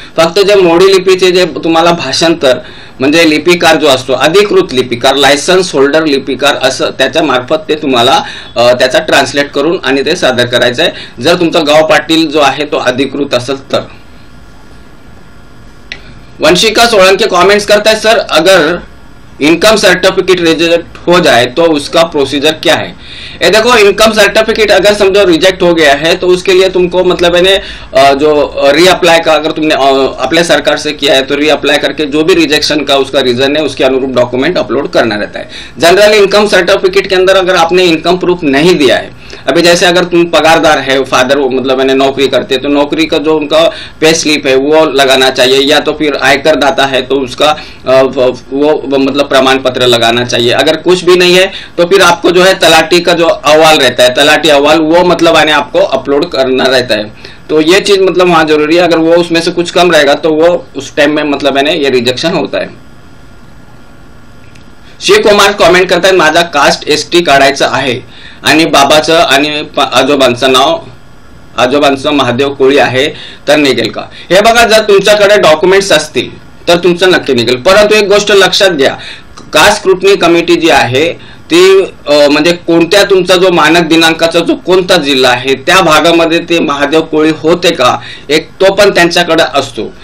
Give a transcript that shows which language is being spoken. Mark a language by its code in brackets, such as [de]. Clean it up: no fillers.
[mr] फक्त जे मोडी लिपीचे जे तुम्हाला भाषांतर म्हणजे लिपिकार जो असतो अधिकृत लिपिकार लायसन्स होल्डर लिपिकार असं त्याच्या मार्फत ते तुम्हाला त्याचा ट्रान्सलेट करून आणि ते सादर करायचं आहे जर तुमचा गाव पाटील जो आहे तो अधिकृत असेल तर. [hi] वंशिका सोळंके कॉमेंट्स करताय, सर अगर इनकम सर्टिफिकेट रिजेक्ट हो जाए तो उसका प्रोसीजर क्या है? ये देखो इनकम सर्टिफिकेट अगर समझो रिजेक्ट हो गया है तो उसके लिए तुमको मतलब है जो रीअप्लाई का अगर तुमने अप्लाई सरकार से किया है तो रीअप्लाई करके जो भी रिजेक्शन का उसका रीजन है उसके अनुरूप डॉक्यूमेंट अपलोड करना रहता है. जनरली इनकम सर्टिफिकेट के अंदर अगर आपने इनकम प्रूफ नहीं दिया है, अभी जैसे अगर तुम पगारदार है फादर मतलब मैंने नौकरी करते हैं तो नौकरी का जो उनका पे स्लिप है वो लगाना चाहिए, या तो फिर आयकर दाता है तो उसका वो मतलब प्रमाण पत्र लगाना चाहिए. अगर कुछ भी नहीं है तो फिर आपको जो है तलाटी का जो अहवाल रहता है तलाटी अहवाल वो मतलब आने आपको अपलोड करना रहता है. तो ये चीज मतलब वहां जरूरी है, अगर वो उसमें से कुछ कम रहेगा तो वो उस टाइम में मतलब मैंने ये रिजेक्शन होता है. [mr] शिव कुमार [hi] कॉमेंट करता है, [mr] माझा कास्ट एसटी काढायचं आहे आणि बाबाचं आणि आजोबांचं नाव आजोबांचं महादेव कोळी आहे तर निघेल का? हे बघा जर तुमच्याकडे डॉक्युमेंट्स असतील तर तुमचं नक्की निघेल. परंतु एक गोष्ट लक्षात घ्या, कास्ट स्क्रुटनी कमिटी जी आहे ती म्हणजे कोणत्या तुमचा जो मानक दिनांकाचा जो कोणता जिल्हा आहे त्या भागामध्ये ते महादेव कोळी होते का एक तो पण त्यांच्याकडे असतो.